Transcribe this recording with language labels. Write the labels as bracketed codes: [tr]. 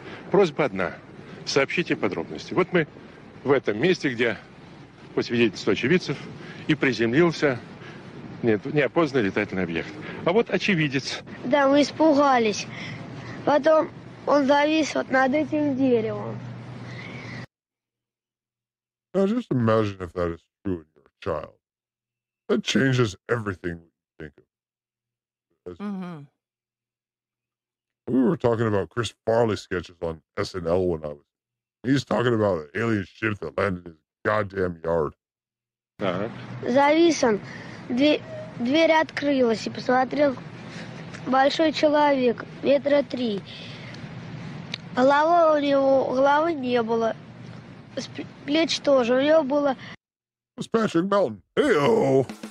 [ru] Просьба одна – сообщите подробности. Вот мы в этом месте, где, по свидетельству очевидцев, и приземлился неопознанный летательный объект. А вот очевидец. Да, мы испугались. Потом он завис вот над этим деревом. [en] Now just imagine if that is true in your child. That changes everything we think of. We were talking about Chris Farley sketches on SNL when I was. He's talking about an alien ship that landed in his goddamn yard. [ru] Завис он. Дверь открылась, и посмотрел большой человек, метра три. Голова у него, головы не было. Плеч тоже, у него было... [en] It's Patrick Melton. Hey-oh!